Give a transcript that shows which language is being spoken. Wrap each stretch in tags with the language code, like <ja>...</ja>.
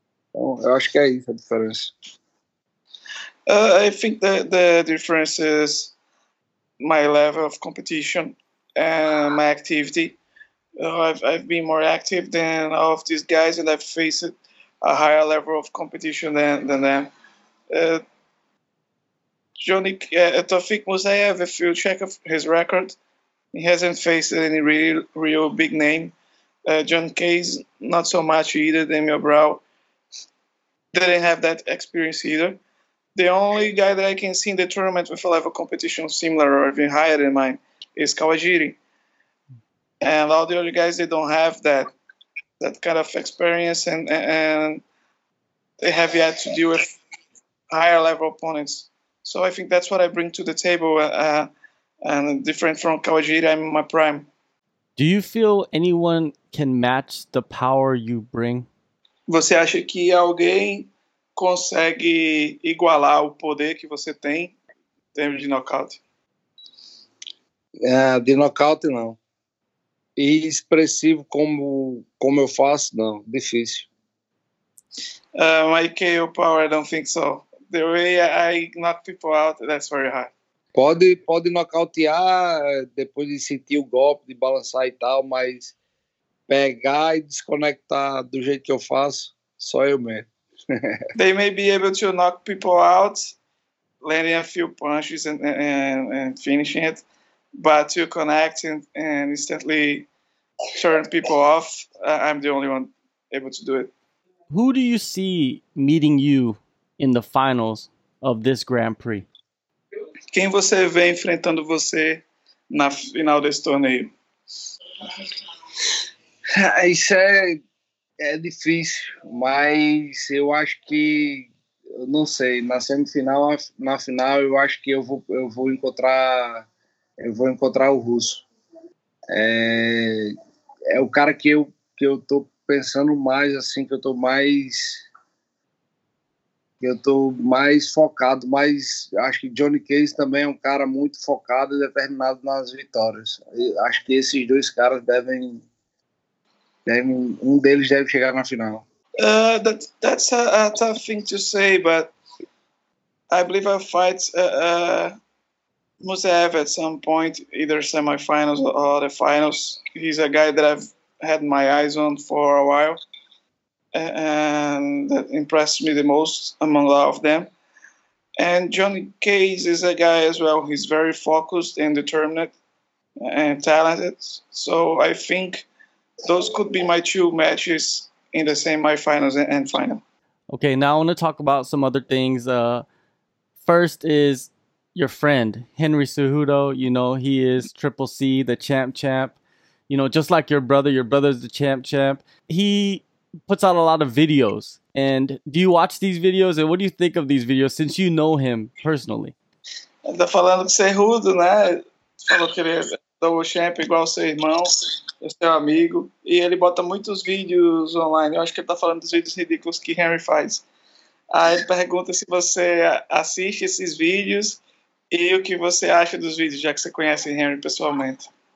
<pt>Então, eu acho que é isso a diferença.</pt> <en>I think the difference is my level of competition and my activity. I've been more active than all of these guys, and I've faced a higher level of competition than them. Johnny Tofik Musaev, if you check his record, he hasn't faced any real big name. John Case, not so much either. Demir Brown didn't have that experience either. The only guy that I can see in the tournament with a level competition similar or even higher than mine is Kawajiri. And all the other guys, they don't have that kind of experience, and they have yet to deal with higher level opponents. So I think that's what I bring to the table, and different from Kawajiri, I'm in my prime. Do you feel anyone can match the power you bring?</en> <pt>Você acha que alguém consegue igualar o poder que você tem em termos de nocaute? De nocaute, não. E expressivo como eu faço, não. Difícil.</pt> <en>My KO power, I don't think so. The way I knock people out, that's very hard.</en> <pt>Pode nocautear, depois de sentir o golpe, de balançar e tal, mas pegar e desconectar do jeito que eu faço, só eu mesmo.</pt> <en>They may be able to knock people out, landing a few punches and finishing it, but to connect and instantly turn people off, I'm the only one able to do it. Who do you see meeting you in the finals of this Grand Prix?</en> <pt>Quem você vê enfrentando você na final desse torneio? Isso é difícil, mas eu acho que, eu não sei, na semifinal, na final, eu acho que eu vou encontrar o Russo. É o cara que eu tô pensando mais, assim, que eu tô mais focado, mas acho que Johnny Case também é um cara muito focado e determinado nas vitórias. Eu acho que esses dois caras devem um deles deve chegar na final.</pt> <en>That's a tough thing to say, but I believe I fight Musaev at some point, either semifinals or the finals. He's a guy that I've had my eyes on for a while. And that impressed me the most among all of them. And Johnny Case is a guy as well. He's very focused and determined and talented. So I think those could be my two matches in the semifinals and final. Okay, now I want to talk about some other things. First is your friend, Henry Cejudo. You know, he is Triple C, the champ. You know, just like your brother's the champ. He puts out a lot of videos. And do you watch these videos? And what do you think of these videos, since you know him personally?</en> <pt>Tá falando que você é rudo, né? Falou que ele é</pt> <en>double champ</en> <pt>igual seu irmão, seu amigo. E ele bota muitos vídeos online. Eu acho que ele tá falando dos vídeos ridículos que Henry faz. Aí ele pergunta se você assiste esses vídeos e o que você acha dos vídeos, já que você conhece Henry pessoalmente.</pt>